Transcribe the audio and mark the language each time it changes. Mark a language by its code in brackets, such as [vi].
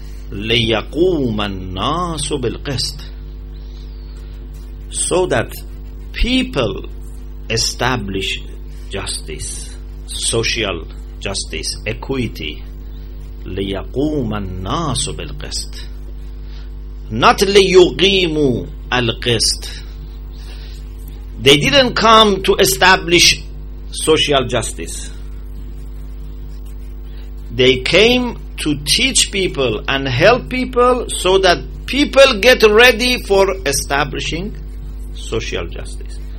[ar] لِيَقُومَ النَّاسُ بِالْقِسْطِ, [en] so that people establish justice, social justice, equity. [ar] لِيَقُومَ النَّاسُ بِالْقِسْطِ, [en] not [ar] لِيُقِيمُ الْقِسْطِ. [en] They didn't come to establish social justice. They came to teach people and help people so that people get ready for establishing social justice.